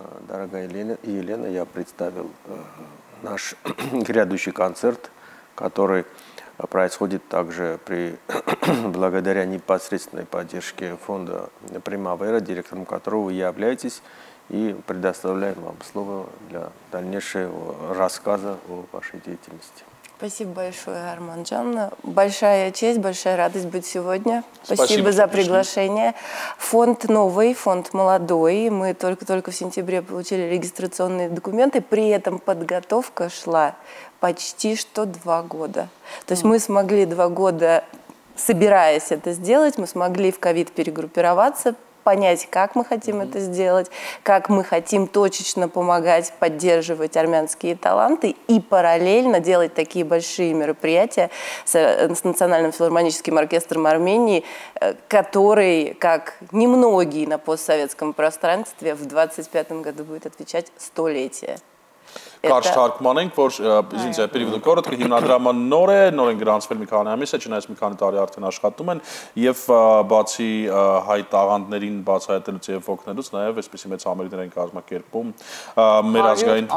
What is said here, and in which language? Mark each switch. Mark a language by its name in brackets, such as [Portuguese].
[Russian] Дорогая Елена, я представил наш грядущий концерт, который происходит также при благодаря непосредственной поддержке фонда «Примавера», директором которого вы являетесь, и предоставляем вам слово для дальнейшего рассказа о вашей деятельности. Спасибо большое, Арман Джан. Большая честь, большая радость быть сегодня. Спасибо за приглашение. Фонд новый, фонд молодой. Мы только-только в сентябре получили регистрационные документы. При этом подготовка шла почти что 2 года. То есть мы смогли 2 года, собираясь это сделать, мы смогли в ковид перегруппироваться, понять, как мы хотим это сделать, как мы хотим точечно помогать, поддерживать армянские таланты и параллельно делать такие большие мероприятия с Национальным филармоническим оркестром Армении, который, как немногие на постсоветском пространстве, в 2025 году будет отвечать столетие. [Armenian] Կարճ թարգմանենք, որ ինձ պերիվը կորոտքը հիմնադրամը նոր է, նոր են գրանցվել մի քանի ամիս է, չնայած մի քանի տարի արդեն աշխատում են, և բացի հայ տաղանդներին բացահայտելուց և օգնելուց, նաև այսպիսի մեծ համերգներ են կազմակերպում մեր ազգային